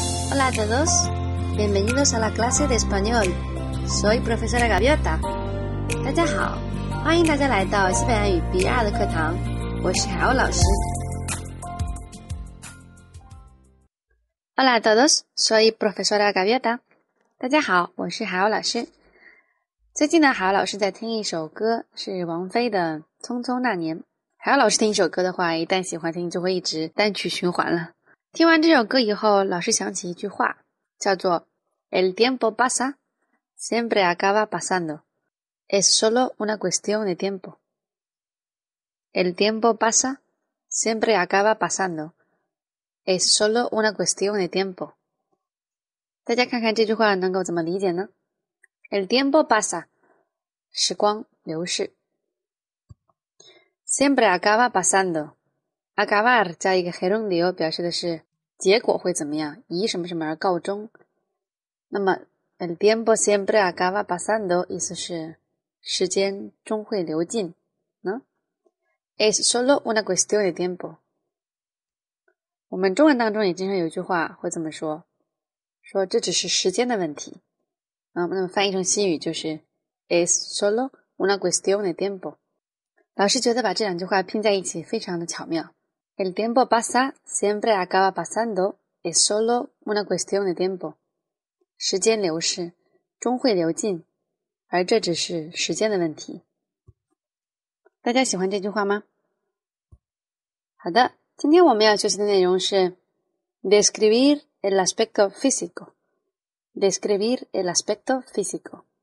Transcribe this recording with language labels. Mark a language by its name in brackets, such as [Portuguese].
[Spanish] Hola a todos, bienvenidos a la clase de español. Soy profesora Gaviota. [Chinese] 大家好，欢迎大家来到西班牙语 B2 的课堂，我是海鸥老师。 [Spanish] Hola a todos, soy profesora Gaviota. [Chinese] 大家好，我是海鸥老师。最近呢，海鸥老师在听一首歌，是王菲的《匆匆那年》。海鸥老师听一首歌的话，一旦喜欢听，就会一直单曲循环了。听完这首歌以后，老师想起一句话，叫做 [Spanish] El tiempo pasa, siempre acaba pasando. Es solo una cuestión de tiempo. El tiempo pasa, siempre acaba pasando. Es solo una cuestión de tiempo. [Chinese] 大家看看这句话能够怎么理解呢？ [Spanish] El tiempo pasa, [Chinese] 时光流逝。 [Spanish] Siempre acaba pasando. Acabar [Chinese] 加一个 gerundio 表示的是结果会怎么样，以什么什么而告终。那么 [Spanish] el tiempo siempre acaba pasando [Chinese] 意思是时间终会流尽。 [Spanish] Es solo una cuestión de tiempo. [Chinese] 我们中文当中也经常有一句话会这么说，说这只是时间的问题。那么翻译成西语就是 [Spanish] Es solo una cuestión de tiempo。 [Chinese] 老师觉得把这两句话拼在一起非常的巧妙。 [Spanish] El tiempo pasa, siempre acaba pasando, es solo una cuestión de tiempo. [Chinese] 时间流逝，终会流尽，而这只是时间的问题。大家喜欢这句话吗？好的，今天我们要学习的内容是 [Spanish] Describir el aspecto físico. Describir el aspecto físico.